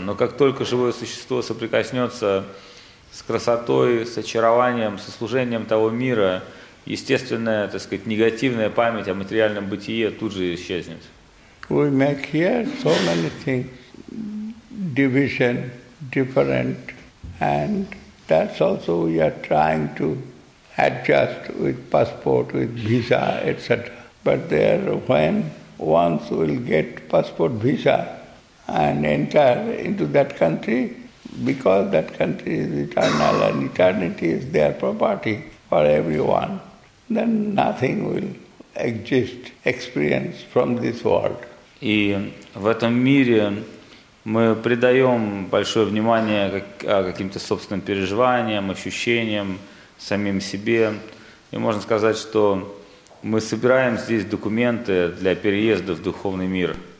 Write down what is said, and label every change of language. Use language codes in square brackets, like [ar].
[ru] Но как только живое существо соприкоснется с красотой, с очарованием, со служением того мира, естественная, так сказать, негативная память о материальном бытии тут же исчезнет. [en] We make here so many things, division, different, and that's also we are trying to adjust with passport, with visa, etc. But there, when once we'll get passport, visa, and enter into that country, because that country is eternal and eternity is their property for everyone, then nothing will exist, experience from this world. [ru] И в этом мире мы придаем большое внимание каким-то собственным переживаниям, ощущениям, самим себе. И можно сказать, что мы собираем здесь документы для переезда в духовный мир.